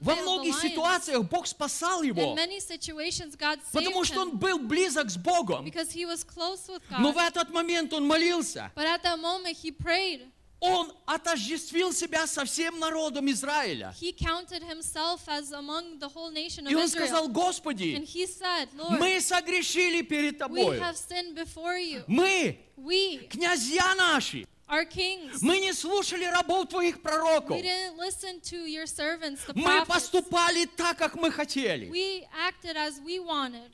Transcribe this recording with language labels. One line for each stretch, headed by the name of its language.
Russian: во многих ситуациях Бог спасал его,
English: in many situations, God saved
Russian: потому что он был близок с Богом.
English: Because he was close with God.
Russian: Но в этот момент он молился.
English: But at that moment he prayed.
Russian: Он отождествил себя со всем народом Израиля.
English: He counted himself as among the whole nation of Israel.
Russian: И он сказал, Господи,
English: and he said, Lord,
Russian: мы согрешили перед Тобой.
English: We have sinned before you.
Russian: Мы,
English: we,
Russian: князья наши,
English: our kings,
Russian: мы не слушали рабов Твоих пророков.
English: We didn't listen to your servants, the prophets.
Russian: Мы поступали так, как мы хотели.
English: We acted as we wanted.